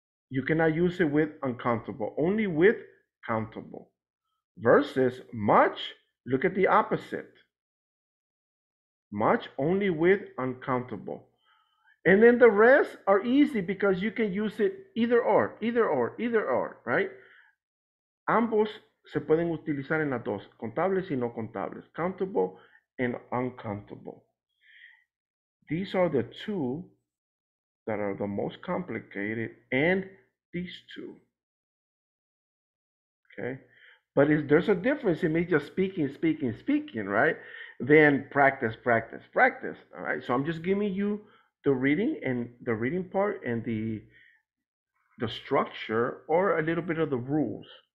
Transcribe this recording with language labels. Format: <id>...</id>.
<en>You cannot use it with uncountable, only with countable. Versus much, look at the opposite. Much only with uncountable. And then the rest are easy because you can use it either or, right?</en> <es>Ambos se pueden utilizar en las dos, contables y no contables.</es> <en>Countable and uncountable. These are the two that are the most complicated, and these two. Okay, but if there's a difference in me just speaking, right? Then practice, all right? So I'm just giving you the reading and the reading part and the structure or a little bit of the rules.</en>